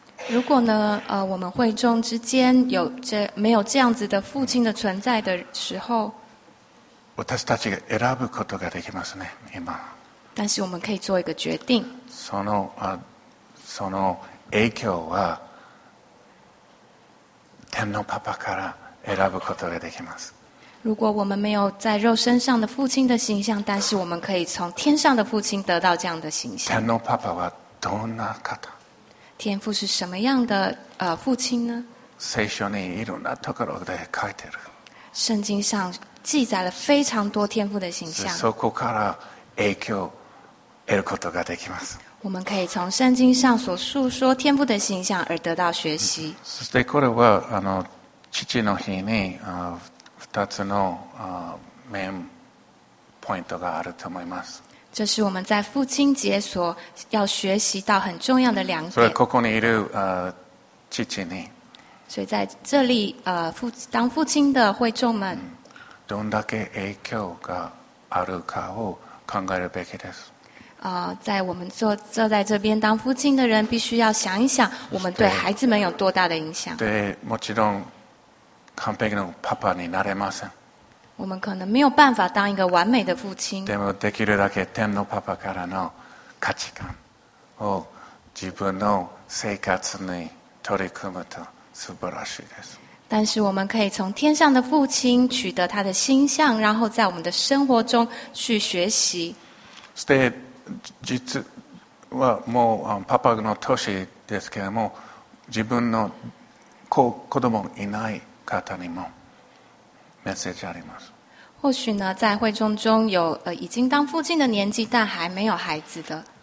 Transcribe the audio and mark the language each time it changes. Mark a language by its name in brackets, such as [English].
[Chinese] 如果呢，我们会众之间有这没有这样子的父亲的存在的时候， [Japanese] 私たちが選ぶことができますね、今。 [Chinese] 但是我们可以做一个决定。 [Japanese] そのその影響は天のパパから選ぶことができます。 [Chinese] 如果我们没有在肉身上的父亲的形象，但是我们可以从天上的父亲得到这样的形象。 [Japanese] 天のパパはどんな方？ [Chinese] 天父是什么样的父亲呢？ [Japanese] 聖書にいろんなところで書いてる。 [Chinese] 圣经上记载了非常多天父的形象。 [Japanese] そこから影響得ることができます。 [Chinese] 我们可以从圣经上所述说天父的形象而得到学习。 [Japanese] そしてこれは父の日に二つのメインポイントがあると思います。 [Chinese] 这是我们在父亲节所要学习到很重要的两点。 [Japanese] 所以ここにいる父に。 [Chinese] 所以在这里当父亲的会众们。 [Japanese] どんだけ影響があるかを考えるべきです。 [Chinese] 在我们坐在这边当父亲的人必须要想一想我们对孩子们有多大的影响。 [Japanese] 对，もちろん完璧のパパになれません。 [Chinese] 我们可能没有办法当一个完美的父亲。 [Japanese] でもできるだけ天のパパからの価値観を自分の生活に取り組むと素晴らしいです。 [Chinese] 但是我们可以从天上的父亲取得他的心象，然后在我们的生活中去学习。 [Japanese] そして実はもうパパの年ですけれども、自分の子供いない方にも。メッセージあります。 [Chinese] 或许呢，在会众中有已经当父亲的年纪，但还没有孩子的。